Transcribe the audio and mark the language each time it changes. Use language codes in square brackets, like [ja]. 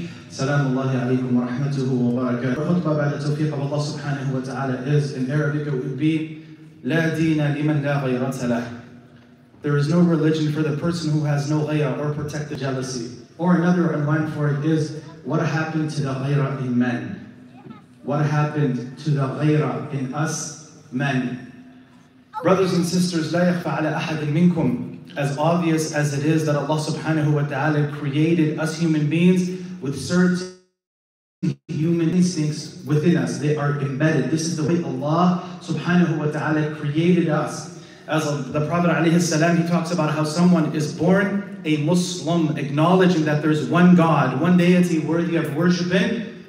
[en] Salam Allahi alaykum wa rahmatuhu wa barakatuh. Our khutbah by the tawfiq of Allah subhanahu wa ta'ala is, in Arabic it would be, [ar] La deena liman la ghayrata lah. [en] There is no religion for the person who has no ghayra or protected jealousy. Or another unwind for it is, what happened to the ghayra in men? What happened to the ghayra in us men? Brothers and sisters, [ar] لا يخفى على أحد منكم. [en] As obvious as it is that Allah subhanahu wa ta'ala created us human beings with certain human instincts within us. They are embedded. This is the way Allah subhanahu wa ta'ala created us. As the Prophet alayhi salam, he talks about how someone is born a Muslim, acknowledging that there's one God, one deity worthy of worshiping.